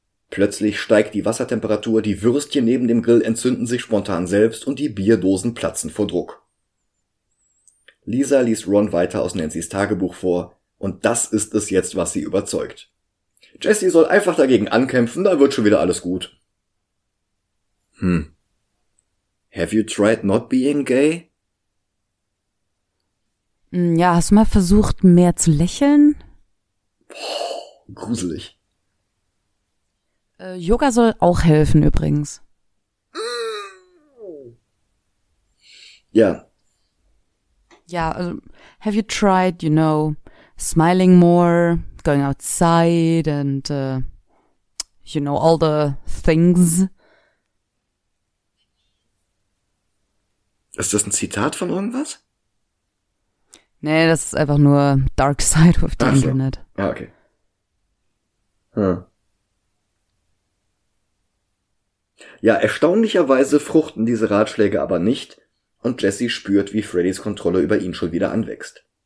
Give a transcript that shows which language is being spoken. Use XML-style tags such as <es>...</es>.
<de>Plötzlich steigt die Wassertemperatur, die Würstchen neben dem Grill entzünden sich spontan selbst und die Bierdosen platzen vor Druck. Lisa liest Ron weiter aus Nancys Tagebuch vor und das ist es jetzt, was sie überzeugt. Jesse soll einfach dagegen ankämpfen, dann wird schon wieder alles gut. Hm.</de> <en>Have you tried not being gay?</en> <de>Ja, hast du mal versucht, mehr zu lächeln? Boah, gruselig. Yoga soll auch helfen übrigens. Ja. Ja, also,</de> <en>have you tried, you know, smiling more, going outside and, you know, all the things?</en> <de>Ist das ein Zitat von irgendwas? Nee, das ist einfach nur Dark Side of the Internet. Ja, okay. Ja, erstaunlicherweise fruchten diese Ratschläge aber nicht, und Jesse spürt, wie Freddys Kontrolle über ihn schon wieder anwächst.</de>